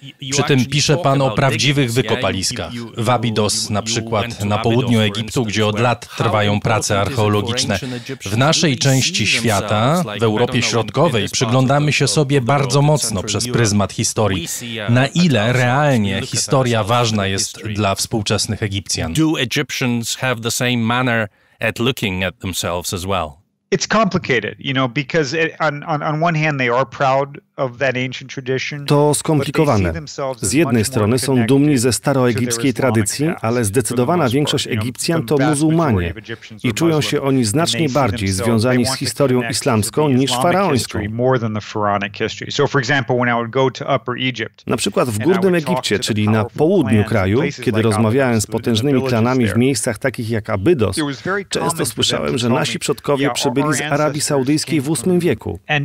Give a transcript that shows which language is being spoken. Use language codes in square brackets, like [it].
[pl] Przy tym pisze pan o prawdziwych wykopaliskach. W Abydos, na przykład na południu Egiptu, gdzie od lat trwają prace archeologiczne. W naszej części świata, w Europie Środkowej, przyglądamy się sobie bardzo mocno przez pryzmat historii. Na ile realnie historia ważna jest dla współczesnych Egipcjan? [en] Do Egyptians have the same manner at looking at themselves as well? It's complicated, you know, because on one hand they are proud of that ancient tradition. [pl] To skomplikowane. Z jednej strony są dumni ze staroegipskiej tradycji, ale zdecydowana większość Egipcjan to muzułmanie i czują się oni znacznie bardziej związani z historią islamską niż faraońską. Na przykład w Górnym Egipcie, czyli na południu kraju, kiedy rozmawiałem z potężnymi klanami w miejscach takich jak Abydos, często słyszałem, że nasi przodkowie przybyli z Arabii Saudyjskiej w 8 wieku.